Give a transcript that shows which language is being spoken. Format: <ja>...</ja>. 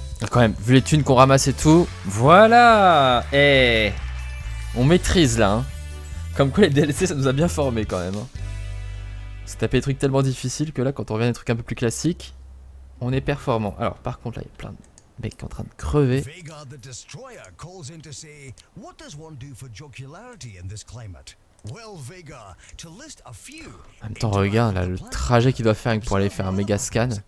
<fr>Quand même, vu les thunes qu'on ramasse et tout. Voilà. Eh, on maîtrise là, hein. Comme quoi les DLC ça nous a bien formé quand même. C'est taper des trucs tellement difficiles que là quand on revient à des trucs un peu plus classiques, on est performant. Alors par contre là il y a plein de mecs en train de crever.</fr> <en>Vega the Destroyer calls in to say, what does one do for jocularity in this climate? Well, Vega, to list a few.</en> <fr>En même temps, regarde là, le trajet qu'il doit faire pour aller faire un méga scan.</fr>